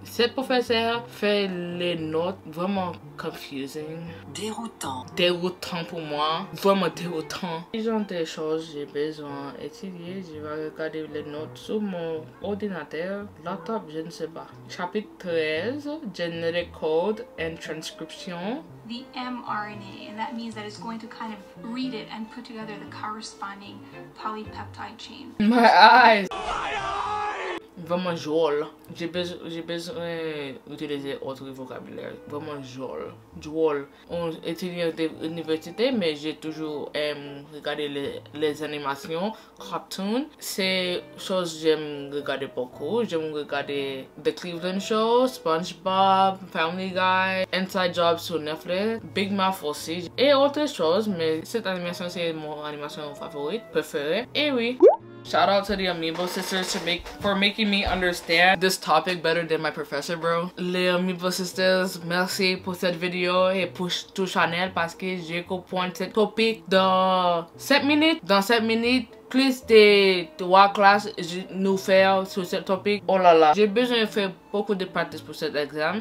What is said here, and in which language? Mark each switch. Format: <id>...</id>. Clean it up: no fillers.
<fr>Cette professeur fait les notes vraiment confusing. Déroutant. Déroutant pour moi. Vraiment déroutant. Ce genre de choses, j'ai besoin d'étudier. Je vais regarder les notes sur mon ordinateur, laptop, je ne sais pas.</fr> <en>Chapitre 13, Genetic Code and Transcription. The mRNA, and that means that it's going to kind of read it and put together the corresponding polypeptide chain. My eyes! My eyes!</en> <fr>Vraiment drôle. J'ai besoin d'utiliser autre vocabulaire. Vraiment drôle. Drôle. On étudie à l'université, mais j'ai toujours aimé regarder les animations, cartoons. C'est une chose que j'aime regarder beaucoup. J'aime regarder The Cleveland Show, SpongeBob, Family Guy, Inside Job sur Netflix, Big Mouth aussi. Et autres choses, mais cette animation, c'est mon animation favorite, préférée. Et oui.</fr> <en>Shout out to the Amoeba Sisters for making me understand this topic better than my professor, bro.</en> <fr>Les Amoeba Sisters, merci pour cette vidéo et pour tout Chanel parce que j'ai compris ce topic dans 7 minutes. Dans 7 minutes, plus de 3 classes nous faire sur ce topic. Oh là là, j'ai besoin de faire beaucoup de practice pour cet examen.</fr>